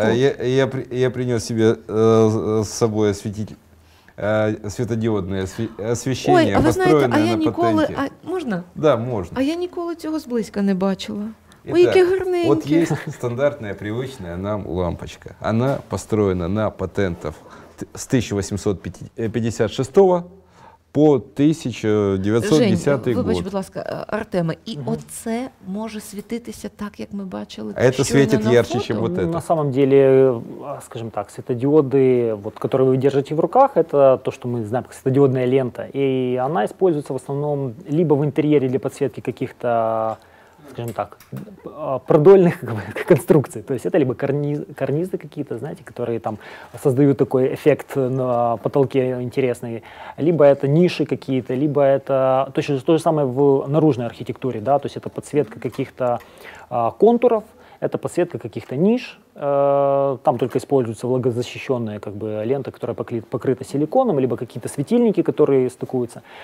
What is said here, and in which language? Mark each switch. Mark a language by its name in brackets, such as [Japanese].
[Russian] Я принес себе с собой светодиодное освещение, построенное на патенте. А я никогда этого [Ukrainian] сблизька не бачила. [Russian] Ой, какие гарненькие. Вот есть стандартная, привычная нам лампочка. Она построена на патентов с 1856-го. По 1910 год. [Ukrainian] Вибач, будь ласка, Артема, і оце може світитися так, як ми бачили. А це світить ярче, ніж вот [Russian] это. На самом деле, скажем так, светодиоды, вот, которые вы держите в руках, это то, что мы знаем, как светодиодная лента. И она используется в основном либо в интерьере для подсветки каких-то, скажем так, продольных конструкций. То есть это либо карнизы какие-то, знаете, которые там создают такой эффект на потолке интересный, либо это ниши какие-то, либо это то же самое в наружной архитектуре, да, то есть это подсветка каких-то контуров, это подсветка каких-то ниш, там только используется влагозащищенная, как бы, лента, которая покрыта силиконом, либо какие-то светильники, которые стыкуются.